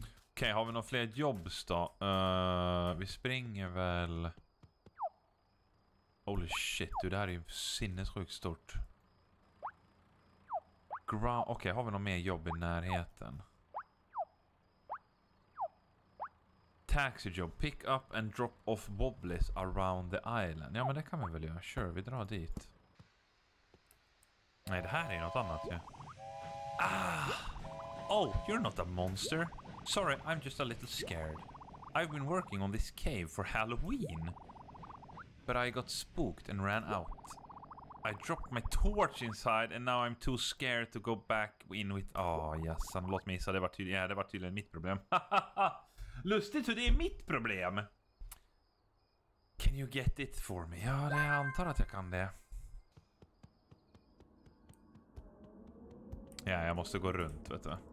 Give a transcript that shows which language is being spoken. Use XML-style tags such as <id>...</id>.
<sv>Okej, har vi några fler jobbs då? Vi springer väl...</sv> <en>Holy shit,</en> <sv>du, det här är ju sinnessjukt stort. Okej, har vi några mer jobb i närheten?</sv> <en>Taxi job. Pick up and drop off wobblies around the island.</en> <sv>Ja, men det kan vi väl göra. Sure, vi drar dit. Nej, det här är något annat, ja.</sv> <en>Ah! Oh, you're not a monster. Sorry, I'm just a little scared. I've been working on this cave for Halloween. But I got spooked and ran out. I dropped my torch inside and now I'm too scared to go back in with... Ah, yes,</en> <sv>låt mig gissa. Det var tydligen mitt problem. Lustigt hur det är mitt problem.</sv> <en>Can you get it for me?</en> <sv>Ja, det jag antar att jag kan det. Ja, jag måste gå runt, vet du.</sv>